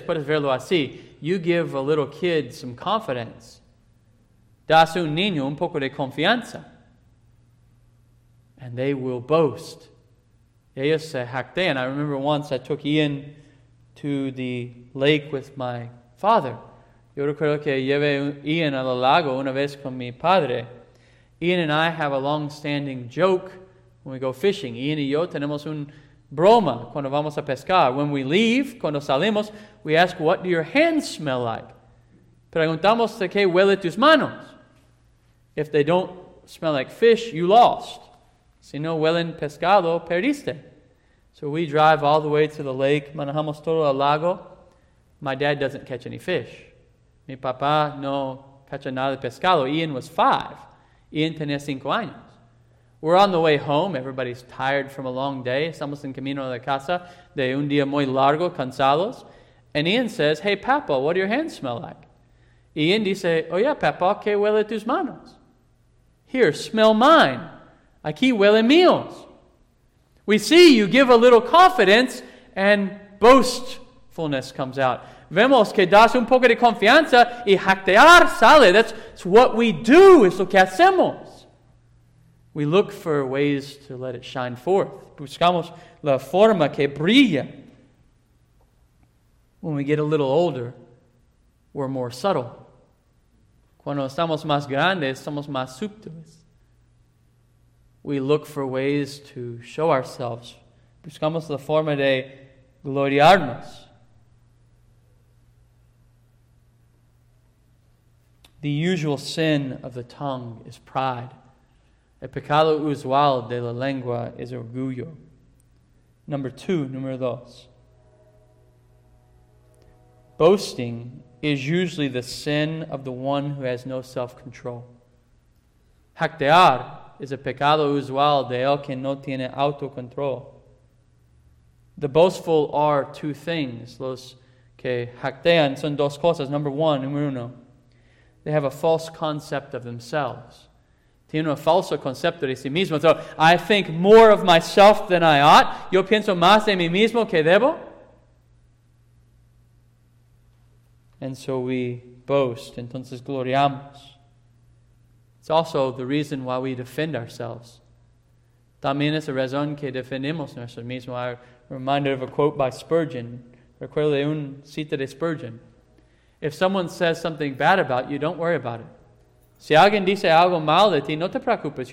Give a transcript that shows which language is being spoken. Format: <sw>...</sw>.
<es>Puedes verlo así.</es> <en>You give a little kid some confidence.</en> <es>Das un niño un poco de confianza.</es> <en>And they will boast.</en> <es>Ellos se jactean.</es> <en>I remember once I took Ian to the lake with my father.</en> <es>Yo recuerdo que llevé Ian al lago una vez con mi padre.</es> <en>Ian and I have a long-standing joke when we go fishing.</en> <es>Ian y yo tenemos un broma cuando vamos a pescar.</es> <en>When we leave,</en> <es>cuando salimos,</es> <en>we ask, "What do your hands smell like?"</en> <es>Preguntamos de qué huele tus manos.</es> <en>If they don't smell like fish, you lost.</en> <es>Si no huelen pescado, perdiste.</es> <en>So we drive all the way to the lake.</en> <es>Manejamos todo el lago.</es> <en>My dad doesn't catch any fish.</en> <es>Mi papá no cacha nada de pescado.</es> <en>Ian was 5.</en> <es>Ian tenía 5 años.</es> <en>We're on the way home. Everybody's tired from a long day.</en> <es>Estamos en camino a la casa de un día muy largo, cansados.</es> <en>And Ian says, "Hey, papá, what do your hands smell like?"</en> <es>Ian dice, "Oye, papá, ¿qué huele tus manos?"</es> <en>"Here, smell mine."</en> <es>Aquí huelen míos.</es> <en>We see you give a little confidence and boastfulness comes out.</en> <es>Vemos que das un poco de confianza y jactear sale.</es> <en>That's what we do.</en> <es>Es lo que hacemos.</es> <en>We look for ways to let it shine forth.</en> <es>Buscamos la forma que brilla.</es> <en>When we get a little older, we're more subtle.</en> <es>Cuando estamos más grandes, somos más sutiles.</es> <en>We look for ways to show ourselves.</en> <es>Buscamos la forma de gloriarnos.</es> <en>The usual sin of the tongue is pride.</en> <es>El pecado usual de la lengua es orgullo. Número dos.</es> <en>Boasting is usually the sin of the one who has no self-control.</en> <es>Jactear is a pecado usual de el que no tiene autocontrol.</es> <en>The boastful are two things.</en> <es>Los que jactean son dos cosas. Número uno.</es> <en>They have a false concept of themselves.</en> <es>Tiene un falso concepto de sí mismo.</es> <en>So, I think more of myself than I ought.</en> <es>Yo pienso más de mí mismo que debo.</es> <en>And so we boast.</en> <es>Entonces gloriamos.</es> <en>It's also the reason why we defend ourselves.</en> <es>También es la razón que defendemos nosotros mismos.</es> <en>I'm reminded of a quote by Spurgeon.</en> <es>Recuerdo un cita de Spurgeon.</es> <en>If someone says something bad about you, don't worry about it.</en> <es>Si alguien dice algo mal de ti, no te preocupes.</es>